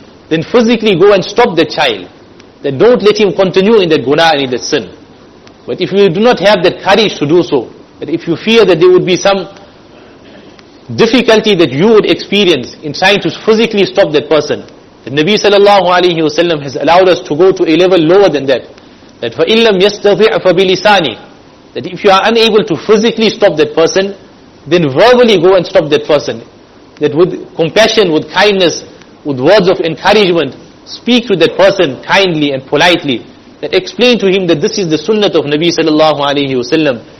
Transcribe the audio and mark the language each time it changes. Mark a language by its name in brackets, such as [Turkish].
[English] Then physically go and stop that child. That don't let him continue in that guna and in that sin. But if you do not have that courage to do so, that if you fear that there would be some difficulty that you would experience in trying to physically stop that person, the Nabi sallallahu alayhi wasallam has allowed us to go to a level lower than that. [Arabic] That فَإِلَّمْ يَسْتَطِعْ فَبِلِسَانِ. [English] That if you are unable to physically stop that person, then verbally go and stop that person. That with compassion, with kindness, with words of encouragement, speak to that person kindly and politely. That explain to him that this is the sunnah of Nabi sallallahu alayhi wasallam.